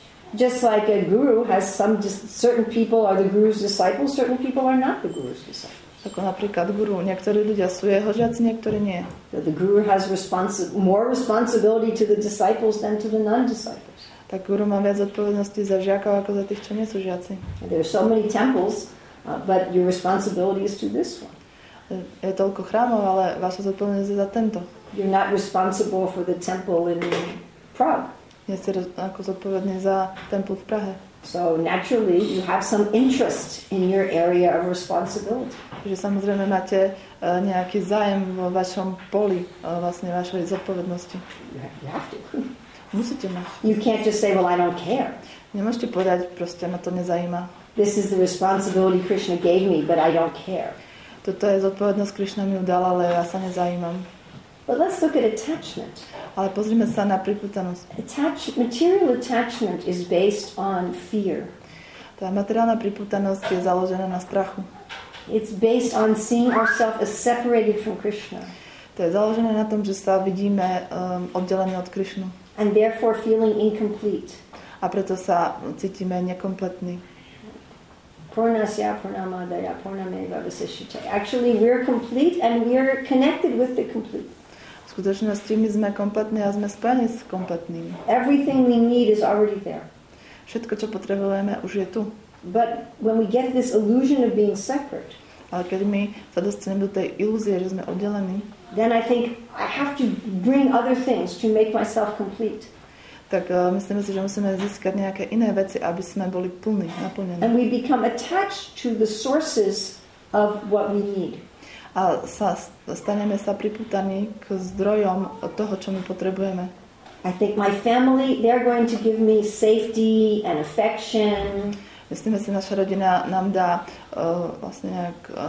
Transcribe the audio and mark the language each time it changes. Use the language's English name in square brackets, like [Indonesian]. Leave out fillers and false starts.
[English] Just like a guru has some certain people are the guru's disciples, certain people are not the guru's disciples. [Slovak] Ako napríklad guru, niektorí ľudia sú jeho žiaci, niektorí nie. [English] The guru has more responsibility to the disciples than to the non-disciples. [Slovak] Tak guru má viac zodpovednosti za žiakov ako za tých, čo nie sú žiaci. [English] There are so many temples But your responsibility is to this one. [Slovak] Je toľko chrámov, ale vás sa zodpovedáte za tento. [English] You're not responsible for the temple in Prague. [Slovak] Nie ste ako zodpovedný za tempel v Prahe. [English] So naturally you have some interest in your area of responsibility. [Slovak] Že samozrejme máte nejaký záujem vo vašom poli, vlastne vašej zodpovednosti. [English] You have to. [Slovak] Musíte mať. [English] You can't just say, well, I don't care. [Slovak] Nemôžete povedať, proste ma to nezajíma. [English] This is the responsibility Krishna gave me, but I don't care. [Slovak] Toto je zodpovednosť, Krishna mi udala, ale ja sa nezajímam. [English] But let's look at attachment. [Slovak] Ale pozrime sa na pripútanosť. [English] Material attachment is based on fear. [Slovak] Tá materiálna pripútanosť je založená na strachu. [English] It's based on seeing ourselves as separated from Krishna. [Slovak] To je založené na tom, že sa vidíme oddelení od Krishnu. [English] And therefore feeling incomplete. [Slovak] A preto sa cítime nekompletní. [Sanskrit] Purnasya purnamadaya purnameva vasishita. [English] Actually we are complete and we are connected with the complete. [Slovak] V skutočnosti my sme kompletní a sme spojení s kompletným. [English] Everything we need is already there. [Slovak] Všetko čo potrebujeme už je tu. [English] But when we get this illusion of being separate, [Slovak] ale keď my sa dostaneme do tej ilúzie, že sme oddelení, [English] then I think I have to bring other things to make myself complete. [Slovak] Tak myslím si, že musíme získať nejaké iné veci, aby sme boli plní, naplnení. [English] And we become attached to the sources of what we need. [Slovak] A staneme sa pripútaní k zdrojom toho, čo my potrebujeme. [English] I think my family, they're going to give me safety and affection. [Slovak] Myslím si, naša rodina nám dá vlastne nejak